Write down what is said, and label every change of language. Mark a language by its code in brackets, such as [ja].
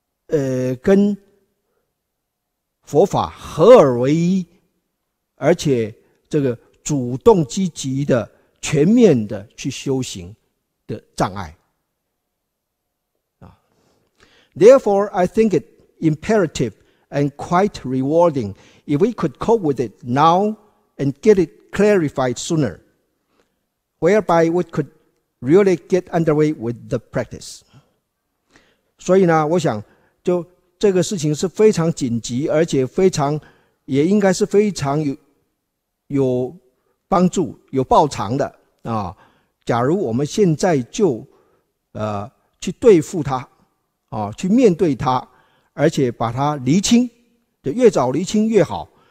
[zh] 个跟佛法合而为一，而且这个主动积极的全面的去修行的障碍。 [en] Therefore, I think it imperative and quite rewarding if we could cope with it now and get it clarified sooner, whereby we could really get underway with the practice. [zh] 所以呢，我想就这个事情是非常紧急，而且非常也应该是非常有帮助、有报偿的啊。假如我们现在就去对付它啊，去面对它，而且把它厘清，就越早厘清越好。